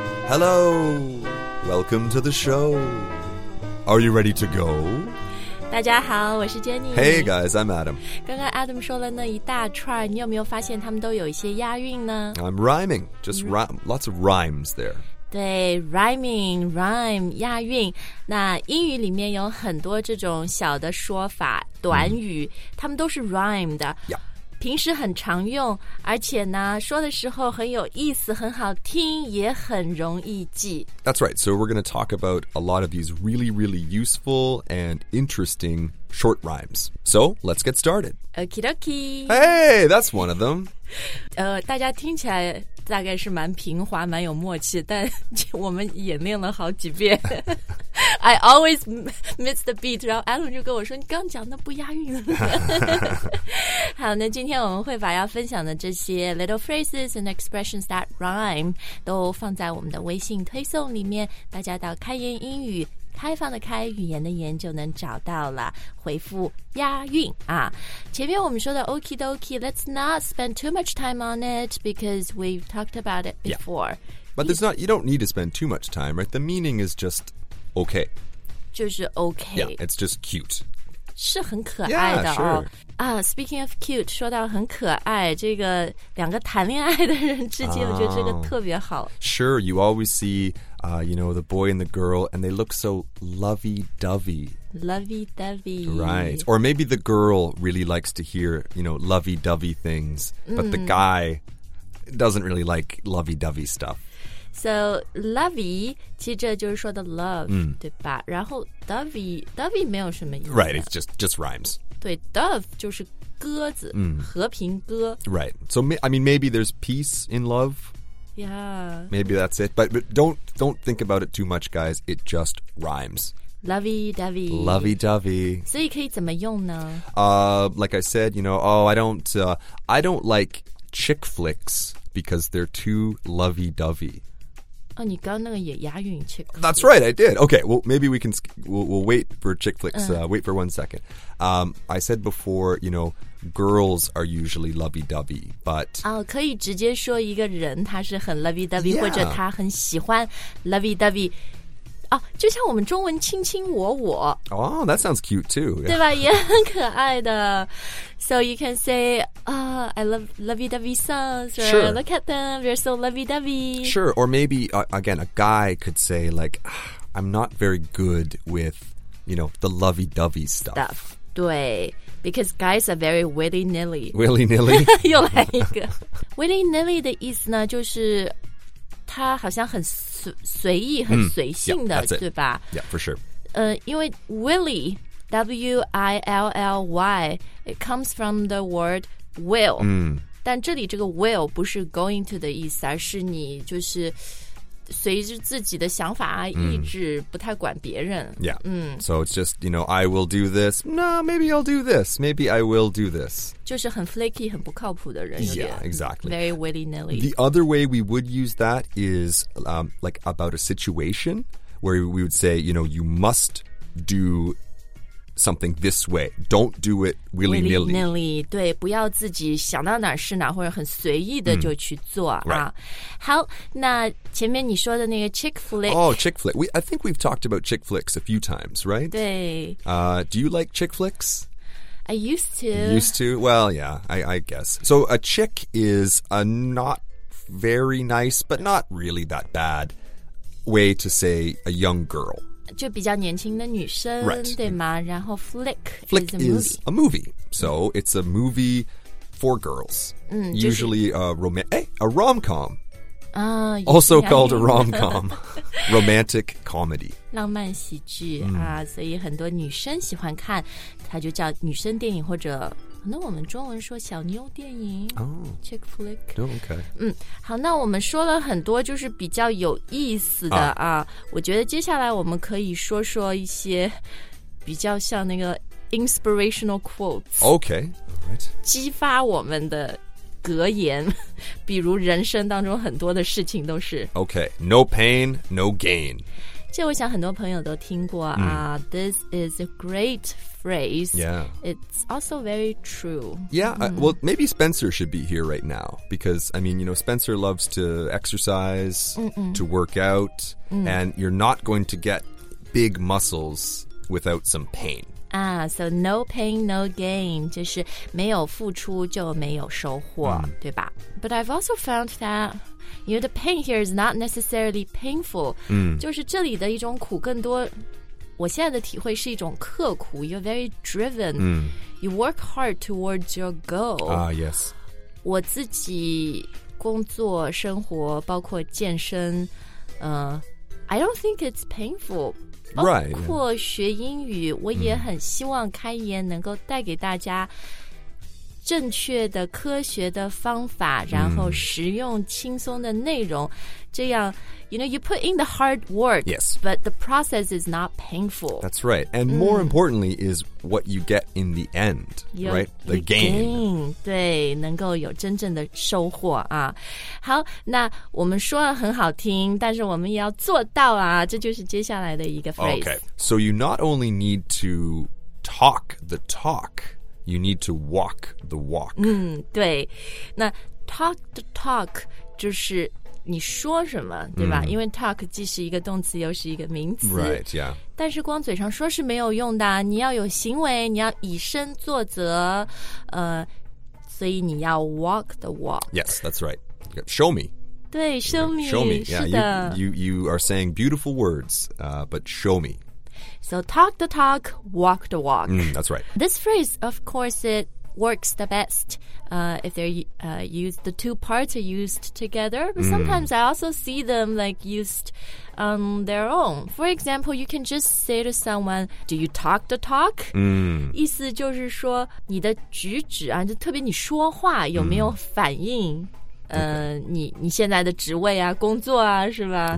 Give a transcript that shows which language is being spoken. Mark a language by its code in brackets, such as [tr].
[en] Hello, welcome to the show. Are you ready to go? [zh] 大家好，我是 Jenny。 [en] Hey guys, I'm Adam. [zh] 刚刚 Adam 说了那一大串，你有没有发现他们都有一些押韵呢？ [en] I'm rhyming, just lots of rhymes there. [zh] 对 ,rhyming, rhyme, 押韵。那英语里面有很多这种小的说法短语他们都是 rhyme 的。 [en] Yeah. [zh] 平时很常用而且呢说的时候很有意思很好听也很容易记。 [en] That's right, so we're going to talk about a lot of these really, really useful and interesting short rhymes. So, let's get started. Okie dokie. Hey, that's one of them. [zh] 大家听起来大概是蛮平滑蛮有默契但我们演练了好几遍。 [en] I always miss the beat, [zh] 然后 Adam 就跟我说你刚讲的不押韵了。好那今天我们会把要分享的这些 [en] little phrases and expressions that rhyme [zh] 都放在我们的微信推送里面大家到开言英语开放的开语言的言就能找到了回复押韵啊前面我们说的 [en] okie dokie let's not spend too much time on it because we've talked about it before、 yeah. but there's not you don't need to spend too much time right the meaning is just okay [zh] 就是 okay [en] yeah it's just cute [zh] 是很可爱的哦 [en] yeah, sure. Speaking of cute, [zh] 说到很可爱这个两个谈恋爱的人之间、我觉得这个特别好。 [en] Sure, you always see,、you know, the boy and the girl, and they look so lovey-dovey. Lovey-dovey. Right. Or maybe the girl really likes to hear, you know, lovey-dovey things, but、the guy doesn't really like lovey-dovey stuff. [zh] So, lovey, 其实这就是说的 love,、对吧？然后 dovey 没有什么意思。 [en] Right, it's just rhymes. [zh] 对 ,dove 就是鸽子、和平鸽。 [en] Right, so I mean, maybe there's peace in love. Yeah. Maybe that's it, but don't think about it too much, guys. It just rhymes. Lovey-dovey. Lovey-dovey. [zh] 所以可以怎么用呢、 [en] Like I said, you know, I don't like chick flicks because they're too lovey-dovey. [zh] Oh, 你刚那个也押韵 chick flicks. [en] That's right, I did. Okay, well, maybe we can, we'll wait for chick flicks,、wait for 1 second.、I said before, you know, girls are usually lovey-dovey, but... [zh] 可以直接说一个人他是很 lovey-dovey,、或者他很喜欢 lovey-dovey.、就像我们中文卿卿我我。 [en] Oh, that sounds cute too.、 [zh] 对吧,也很可爱的。 [en] So you can say,、I love lovey-dovey songs, or、 sure. look at them, they're so lovey-dovey. Sure, or maybe,、again, a guy could say, like, I'm not very good with, you know, the lovey-dovey stuff. 对, because guys are very willy-nilly. Willy-nilly? [zh] 又来一个。 willy-nilly 的意思呢,就是他好像很随意,很随性的, [en] yeah, [zh] 对吧? [en] Yeah, for sure.、 [zh] 因为 willy... [en] W-I-L-L-Y, it comes from the word will.、 [zh] 但这里这个 will 不是 going to 的意思而是你就是随着自己的想法意志不太管别人。 [en] Yeah,、so it's just, you know, I will do this. No, maybe I'll do this. Maybe I will do this. [zh] 就是很 flaky, 很不靠谱的人。 [en] Yeah, exactly. Very willy-nilly. The other way we would use that is、like about a situation where we would say, you know, you must do... something this way. Don't do it willy-nilly. [zh] Willy-nilly, 对不要自己想到哪是哪或者很随意的就去做、 [en] right. [zh] 好那前面你说的那个 chick flick. [en] Oh, chick flick. I think we've talked about chick flicks a few times, right? 对、 Do you like chick flicks? I used to. Used to? Well, yeah, I guess. So a chick is a not very nice, but not really that bad way to say a young girl. [zh] 就比较年轻的女生、 [en] right. [zh] 对吗然后 flick, [en] flick is, a movie. Is a movie so it's a movie for girls、usually、就是、 a rom-com、 also called a rom-com romantic comedy [zh] 浪漫喜剧、所以很多女生喜欢看它就叫女生电影或者可能我们中文说小妞电影、chick flick、 [en] okay. [zh] 好那我们说了很多就是比较有意思的啊。我觉得接下来我们可以说说一些比较像那个 inspirational quotes [en] okay. Right. [zh] 激发我们的格言比如人生当中很多的事情都是 [en] okay. no pain no gain [zh] 这我想很多朋友都听过啊、 [en] This is a great phrase. Yeah. It's also very true. Yeah,、well, maybe Spencer should be here right now. Because, I mean, you know, Spencer loves to exercise,、to work out,、and you're not going to get big muscles without some pain. So no pain, no gain. [zh] 就是没有付出就没有收获、对吧 [en] But I've also found that you know, the pain here is not necessarily painful、 [zh] 就是这里的一种苦更多我现在的体会是一种刻苦 [en] You're very driven、You work hard towards your goal Yes [zh] 我自己工作生活包括健身、 [en] I don't think it's painful Right. [zh] 包括学英语、我也很希望开言能够带给大家正确的科学的方法、然后实用轻松的内容。 [en] 这样 you know, you put in the hard work, yes. but the process is not painful. That's right. And more importantly is what you get in the end, right? The gain. [zh] 对能够有真正的收获啊。好那我们说了很好听但是我们也要做到啊这就是接下来的一个 phrase. [en] Okay, so you not only need to talk the talk, you need to walk the walk. [zh] 对那 talk the talk 就是你说什么对吧、因为 talk 既是一个动词又是一个名词 [en] Right, yeah [zh] 但是光嘴上说是没有用的你要有行为你要以身作则所以你要 walk the walk [en] Yes, that's right Show me [zh] 对 show me [en] Show me, yeah, [zh] 是的 [en] you are saying beautiful words, but show me So talk the talk, walk the walk、 That's right This phrase, of course, itworks the best if they're used the two parts are used together but sometimes I also see them like used on their own for example you can just say to someone do you talk the talk [zh] 意思就是说你的举止啊就特别你说话有没有反应你现在的职位啊工作啊是吧